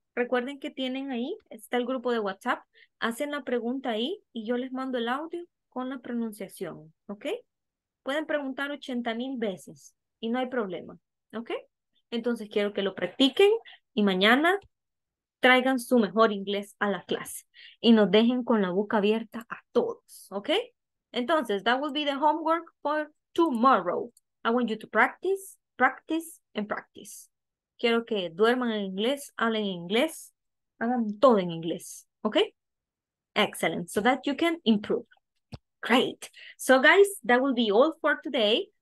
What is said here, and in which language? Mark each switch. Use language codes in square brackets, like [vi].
[es] Recuerden que tienen ahí, está el grupo de WhatsApp, hacen la pregunta ahí y yo les mando el audio con la pronunciación, ¿ok? Pueden preguntar 80,000 veces y no hay problema, ¿ok? Entonces quiero que lo practiquen y mañana traigan su mejor inglés a la clase y nos dejen con la boca abierta a todos, ¿ok? [en] Entonces, that will be the homework for tomorrow. I want you to practice, practice, and practice. [es] Quiero que duerman en inglés, hablen en inglés, hagan todo en inglés, ¿ok? [en] Excellent, so that you can improve. Great. So guys, that will be all for today.